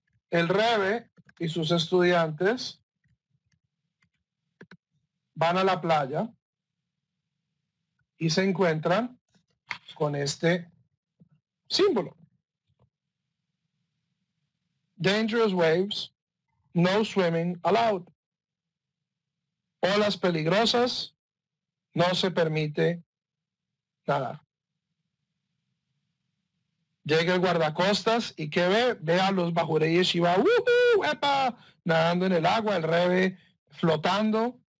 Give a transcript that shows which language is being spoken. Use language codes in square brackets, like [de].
[es] El Rebe y sus estudiantes van a la playa y se encuentran con este símbolo. [en] Dangerous waves, no swimming allowed. [es] Olas peligrosas, no se permite nada. Llega el guardacostas y ¿qué ve? Ve a los bajureyes y va ¡epa! Nadando en el agua, el Rebe flotando.